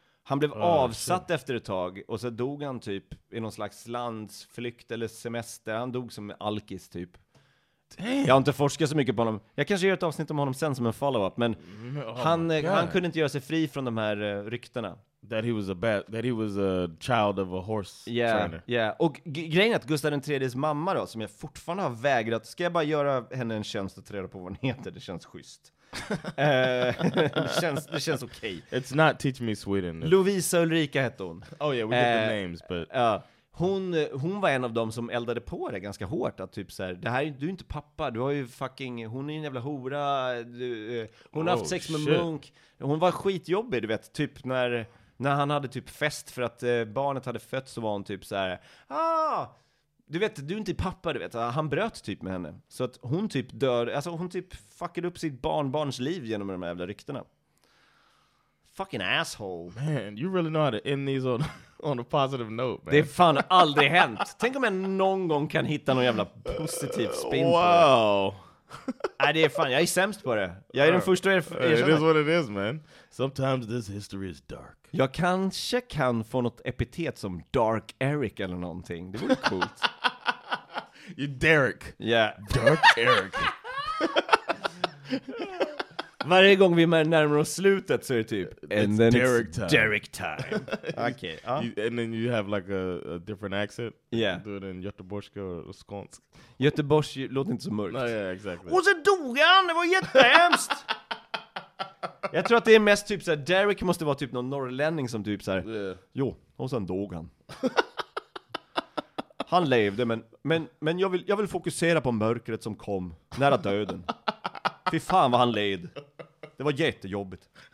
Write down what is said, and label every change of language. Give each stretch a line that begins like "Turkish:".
Swedish: Han blev avsatt efter ett tag och så dog han typ i någon slags landsflykt eller semester. Han dog som alkis typ.
English: Damn.
Swedish: Jag har inte forskat så mycket på honom. Jag kanske gör ett avsnitt om honom sen som en follow-up, men han kunde inte göra sig fri från de här ryktena.
English: That he was a child of a horse trainer. Yeah.
Swedish: Och grejen att Gustav III's mamma då, som jag fortfarande har vägrat, ska jag bara göra henne en tjänst och träda på vad hon heter? Det känns schysst. det känns okej.
English: Okay. It's not teach me Sweden. No.
Swedish: Lovisa Ulrika hette hon.
English: Oh yeah, we get the names, but
Swedish: hon var en av dem som eldade på det ganska hårt, att typ så här, det här du är inte pappa, du har ju fucking, hon är en jävla hora, hon har haft sex med munk. Hon var skitjobbig, du vet, typ när han hade typ fest för att barnet hade fötts, så var hon typ så här, du vet, du är inte pappa, du vet. Han bröt typ med henne. Så att hon typ dör, alltså hon typ fuckade upp sitt barnbarns liv genom de här jävla ryktena.
English: Fucking asshole. Man, you really know how to end these on a positive note, man.
Swedish: Det är fan aldrig hänt. Tänk om jag någon gång kan hitta någon jävla positiv spin på det.
English: Wow.
Swedish: Nej, det är fan, jag är sämst på det. Jag är den första
English: It is what it is, man. Sometimes this history is dark.
Swedish: Jag kanske kan få något epitet som Dark Eric eller någonting. Det vore coolt.
English: You're Derek. Yeah. Dark Eric.
Swedish: Varje gång vi närmar oss slutet så är det typ
English: It's Derek time. Okay. And then you have like a different accent. Yeah. Do it in
Swedish: göteborgska eller skånsk. Göteborgs låter inte så mörkt.
English: Nej, yeah, exactly.
Swedish: Och så dog han, det var jättehemskt. Jag tror att det är mest typ så här, Derek måste vara typ någon norrlänning som typ så här. Yeah. Jo, och sen dog han. Han levde, men jag vill fokusera på mörkret som kom nära döden. Fy fan vad han led. Det var jättejobbigt.